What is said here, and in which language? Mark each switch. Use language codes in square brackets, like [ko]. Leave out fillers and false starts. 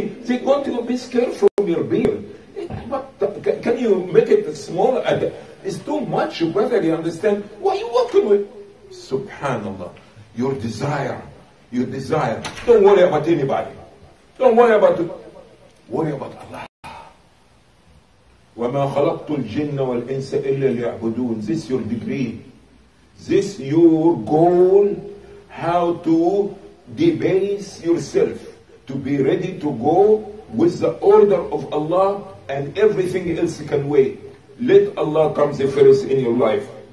[en] They want to be scared from your beard. Can you make it smaller? It's too much, brother. You understand? What are you working with? Subhanallah. Your desire. Your desire. Don't worry about anybody. Don't worry about it. Worry about Allah. [ar] وَمَا خَلَقْتُ الْجِنَّ وَالْإِنسَ إِلَّا لِيَعْبُدُونَ [en] This your degree. This your goal. How to debase yourself to be ready to go with the order of Allah and everything else can wait. Let Allah come the first in your life.